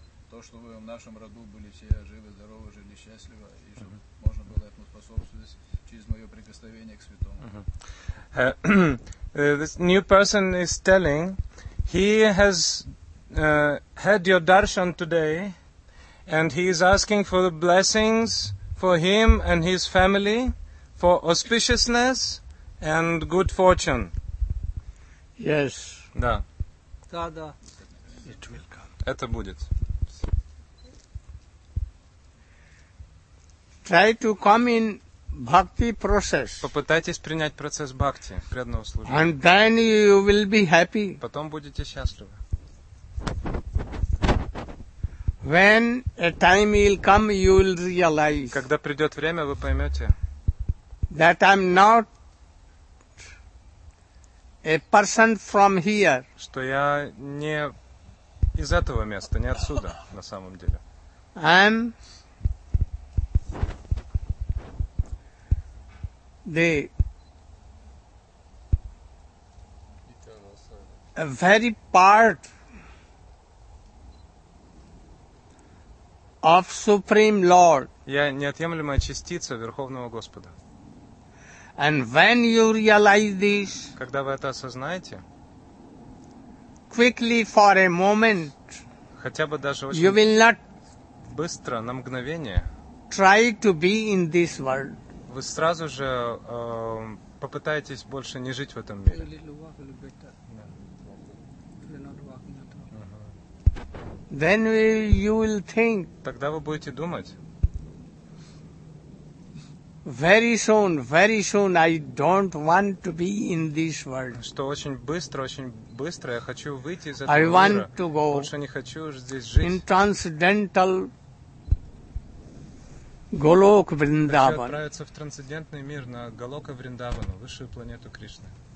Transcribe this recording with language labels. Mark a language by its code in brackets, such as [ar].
[ru] То, что вы в нашем роду были все живы, здоровы, жили счастливо, и чтобы можно было этому способствовать через мое прикосновение к святому. [en] This new person is telling, he has had your darshan today, and he is asking for the blessings for him and his family, for auspiciousness and good fortune. Yes. [ru] Да. Да, да. [en] It will come. [ru] Это будет. [en] Try to come in bhakti process. [ru] Попытайтесь принять процесс бхакти, преданного служения. [en] And then you will be happy. [ru] Потом будете счастливы. [en] When a time will come, you will realize. [ru] Когда придет время, вы поймете. [en] That I'm not a person from here. [ru] Что я не из этого места, не отсюда, на самом деле. [en] I'm the a very part of Supreme Lord. [ru] Я неотъемлемая частица Верховного Господа. [en] And when you realize this, [ru] когда вы это осознаете, [en] quickly for a moment, [ru] хотя бы даже очень [en] you will not [ru] быстро, на мгновение, [en] try to be in this world. [ru] Вы сразу же попытаетесь больше не жить в этом мире. [en] Then you will think. [ru] Тогда вы будете думать. [en] Very soon, I don't want to be in this world. [ru] Что очень быстро, я хочу выйти из этого мира. [en] I want to go. [ru] Больше не хочу здесь жить. [en] In transcendental. [ru] Голок Вриндаван. Хочу отправиться в трансцендентный мир на Голока Вриндавану, высшую планету Кришны.